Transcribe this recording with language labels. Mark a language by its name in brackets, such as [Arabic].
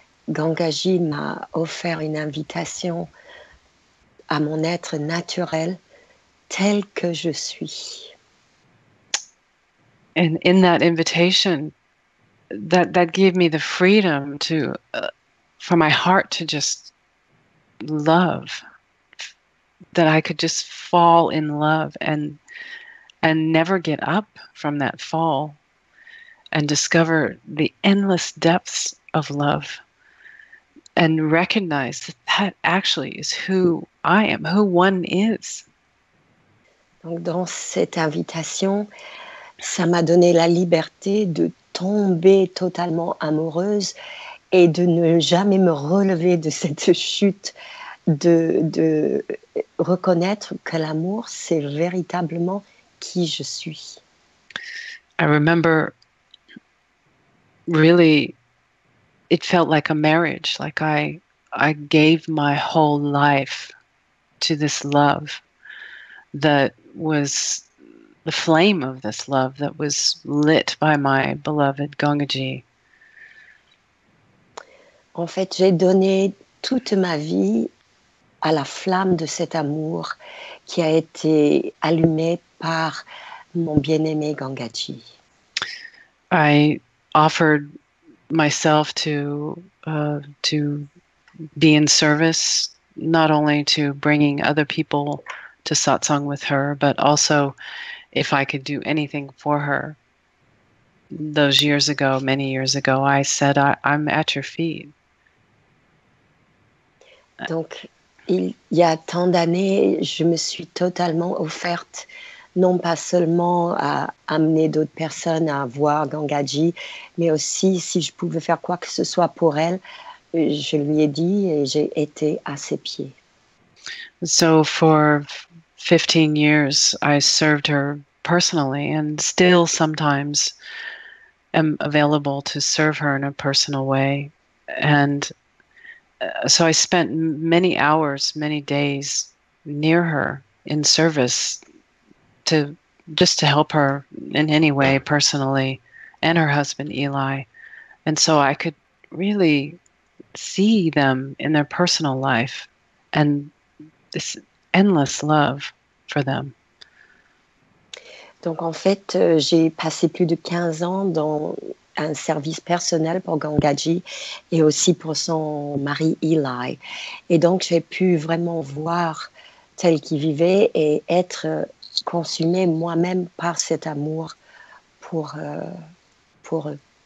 [French] Gangaji m'a offert une invitation à mon être naturel tel que je suis. [English] And in that invitation, that gave me the freedom to, for my heart to just love, that I could just fall in love and never get up from that fall and discover the endless depths of love and recognize that that actually is who I am, who one is. [French] Donc dans cette invitation, ça m'a donné la liberté de tomber totalement amoureuse et de ne jamais me relever de cette chute, de reconnaître que l'amour, c'est véritablement qui je suis. [English] I remember, really, it felt like a marriage, like I gave my whole life to this love that was the flame of this love that was lit by my beloved Gangaji. [French] En fait, j'ai donné toute ma vie à la flamme de cet amour qui a été allumé par mon bien-aimé Gangaji. [English] I offered myself to be in service, not only to bringing other people to satsang with her, but also if I could do anything for her. Those years ago, many years ago, I said, I'm at your feet. [French] Donc, il y a tant d'années, je me suis totalement offerte, non pas seulement à amener d'autres personnes à voir Gangaji, mais aussi si je pouvais faire quoi que ce soit pour elle, je lui ai dit et j'ai été à ses pieds. [English] So for 15 years, I served her personally and still sometimes am available to serve her in a personal way. And so I spent many hours, many days near her in service to just to help her in any way personally and her husband Eli. And so I could really see them in their personal life and this endless love for them. [French] Donc en fait, j'ai passé plus de 15 ans dans un service personnel pour Gangaji et aussi pour son mari Eli. Et donc j'ai pu vraiment voir tel qu'il vivait et être consumée moi-même par cet amour pour eux.